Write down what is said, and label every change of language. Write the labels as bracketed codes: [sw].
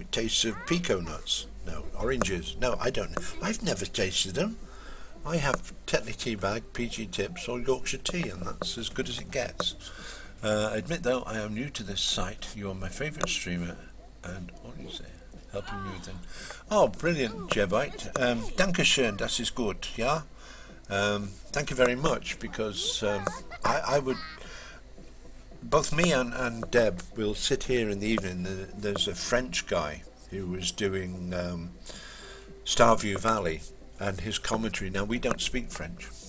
[en] It tastes of pico nuts. No, oranges. No, I don't. I've never tasted them. I have Tetley tea bag, PG Tips, or Yorkshire tea, and that's as good as it gets. Admit, though, I am new to this site. You are my favourite streamer. And what do you say? Helping me with them. Oh, brilliant, Jebite. [de] Danke schön, das ist gut, ja? [en] Thank you very much, because I would... Both me and Deb will sit here in the evening. There's a French guy who was doing Starview Valley and his commentary. Now, we don't speak French.